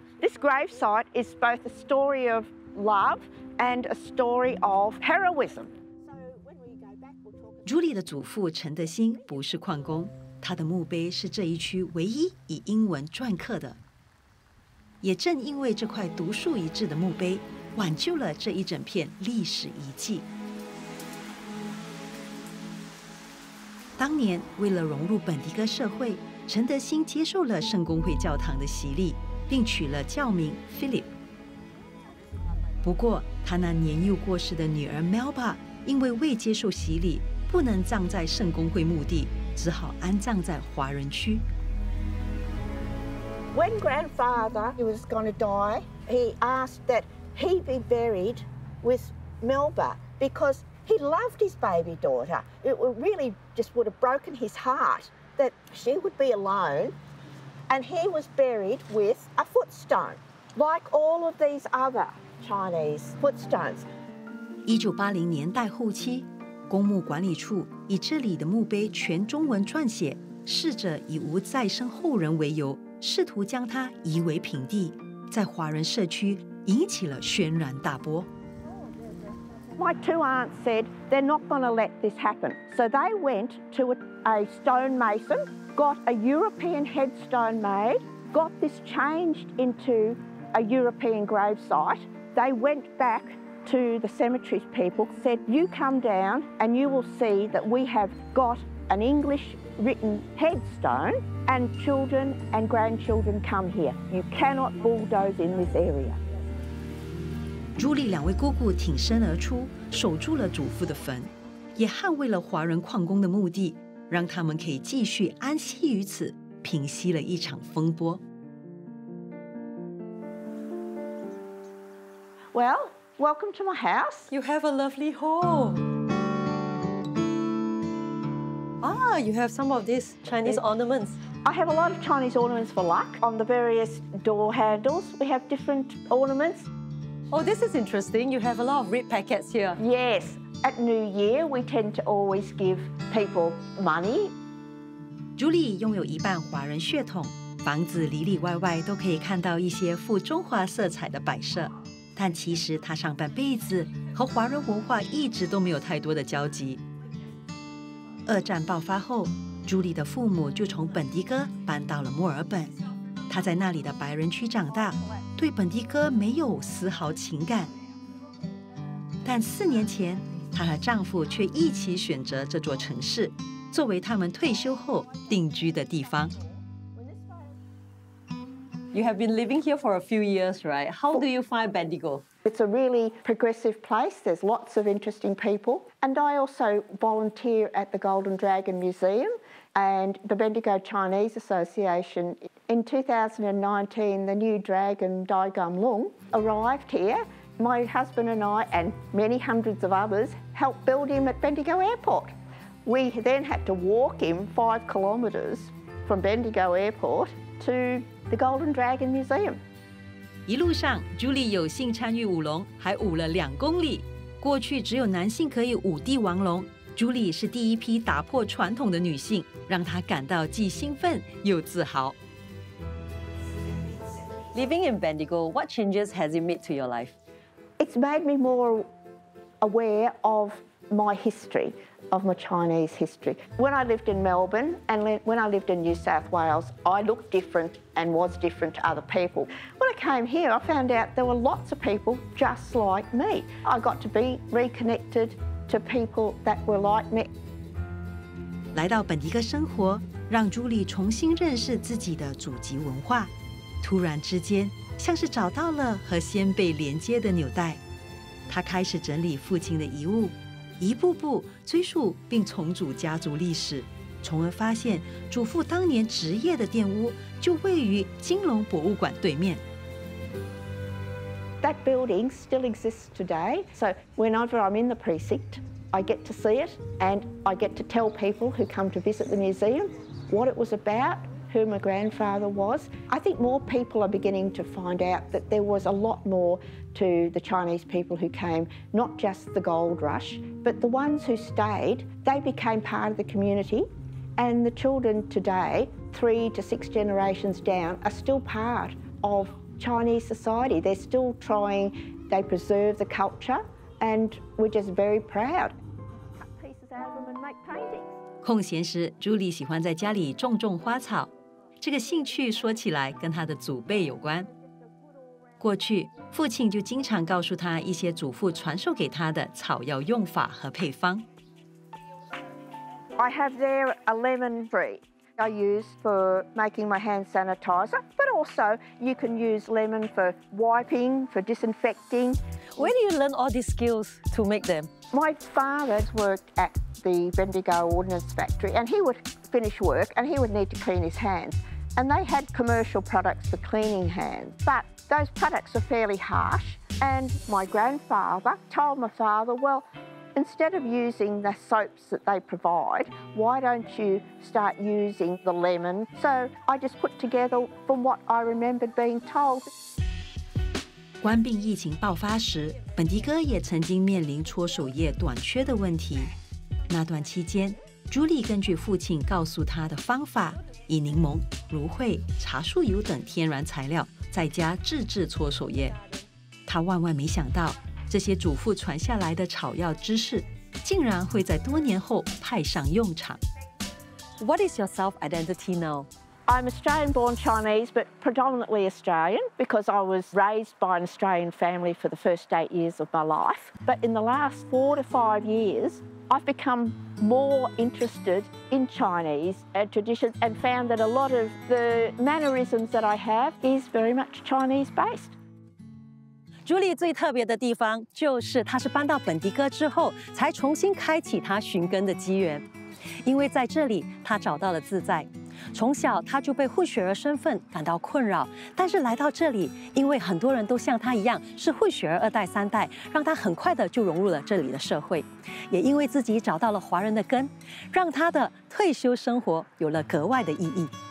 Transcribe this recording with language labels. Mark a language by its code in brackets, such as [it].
[en] This gravesite is both a story of love and a story of heroism. [zh] Julie 的祖父陈德兴不是矿工，他的墓碑是这一区唯一以英文篆刻的。也正因为这块独树一帜的墓碑，挽救了这一整片历史遗迹。当年为了融入本迪戈社会，陈德兴接受了圣公会教堂的洗礼，并取了教名 Philip。不过他那年幼过世的女儿 Melba 因为未接受洗礼，不能葬在圣公会墓地，只好安葬在华人区。 [en] When grandfather was going to die, he asked that he be buried with Melba becauseHe loved his baby daughter. It really just would have broken his heart that she would be alone. And he was buried with a footstone, like all of these other Chinese footstones. [zh] 1980年代后期，公墓管理处以这里的墓碑全中文撰写，试着以无再生后人为由，试图将它夷为平地，在华人社区引起了轩然大波。 [en] My two aunts said they're not going to let this happen. So they went to a stonemason, got a European headstone made, got this changed into a European gravesite. They went back to the cemetery people, said, you come down and you will see that we have got an English written headstone and children and grandchildren come here. You cannot bulldoze in this area. [zh] 朱莉两位姑姑挺身而出，守住了祖父的坟，也捍卫了华人矿工的墓地，让他们可以继续安息于此，平息了一场风波。 [en] Well, welcome to my house. You have a lovely home. Ah, you have some of these Chinese ornaments. I have a lot of Chinese ornaments for luck on the various door handles. We have different ornaments. Oh, this is interesting. You have a lot of red packets here. Yes. At New Year, we tend to always give people money. [zh] Julie 拥有一半华人血统，房子里里外外都可以看到一些富中华色彩的摆设，但其实她上半辈子和华人文化一直都没有太多的交集。二战爆发后，Julie 的父母就从本迪戈搬到了墨尔本。他在那里的白人区长大，对本迪哥没有丝毫情感。但四年前，她和丈夫却一起选择这座城市，作为他们退休后定居的地方。 [en] You have been living here for a few years, right? How do you find Bendigo? It's a really progressive place. There's lots of interesting people. And I also volunteer at the Golden Dragon Museum and the Bendigo Chinese Association. In 2019, the new dragon, Dai Gum Lung, arrived here. My husband and I, and many hundreds of others, helped build him at Bendigo Airport. We then had to walk him 5 kilometres from Bendigo Airport to the Golden Dragon Museum. [zh] 一路上 ，Julie 有幸参与舞龙，还舞了2公里。过去只有男性可以舞帝王龙 ，Julie 是第一批打破传统的女性，让她感到既兴奋又自豪。 [en] Living in Bendigo, what changes has it made to your life? It's made me more aware of my history. Of my Chinese history. When I lived in Melbourne and when I lived in New South Wales, I looked different and was different to other people. When I came here, I found out there were lots of people just like me. I got to be reconnected to people that were like me. [zh] 来到本迪戈生活，让朱莉重新认识自己的祖籍文化。突然之间，像是找到了和先辈连接的纽带，她开始整理父亲的遗物。一步步追溯并重组家族历史，从而发现祖父当年职业的店屋就位于金龙博物馆对面。 [en] That building still exists today, so whenever I'm in the precinct, I get to see it, and I get to tell people who come to visit the museum what it was about, who my grandfather was. I think more people are beginning to find out that there was a lot more. To the Chinese people who came, not just the gold rush, but the ones who stayed, they became part of the community. And the children today, 3 to 6 generations down, are still part of Chinese society. They're still trying, they preserve the culture, and we're just very proud. Cut pieces out of them and make paintings. [zh] 空闲时 ，Julie 喜欢在家里种种花草。这个兴趣说起来跟她的祖辈有关。过去，父亲就经常告诉他一些祖父传授给他的草药用法和配方。 [en] I have there a lemon tree I use for making my hand sanitizer, but also you can use lemon for wiping, for disinfecting. Where do you learn all these skills to make them? My father's worked at the Bendigo Ordnance Factory, and he would finish work and he would need to clean his hands, and they had commercial products for cleaning hands, but Those products are fairly harsh, and my grandfather told my father, well, instead of using the soaps that they provide, why don't you start using the lemon? So I just put together from what I remembered being told. [zh] 冠病疫情爆发时，本迪哥也曾经面临搓手液短缺的问题。那段期间 ，Julie 根据父亲告诉他的方法，以柠檬、芦荟、茶树油等天然材料。在家自制搓手液，他万万没想到，这些祖父传下来的草药知识，竟然会在多年后派上用场。 [en] What is your self-identity now? I'm Australian-born Chinese, but predominantly Australian because I was raised by an Australian family for the first 8 years of my life. But in the last 4 to 5 years, I've become more interested in Chinese and traditions and found that a lot of the mannerisms that I have is very much Chinese based. [zh] Julie 最特别的地方就是她是搬到本迪戈之后才重新开启她寻根的机缘，因为在这里她找到了自在。从小她就被混血儿身份感到困扰，但是来到这里，因为很多人都像她一样是混血儿二代三代，让她很快的就融入了这里的社会，也因为自己找到了华人的根，让她的退休生活有了格外的意义。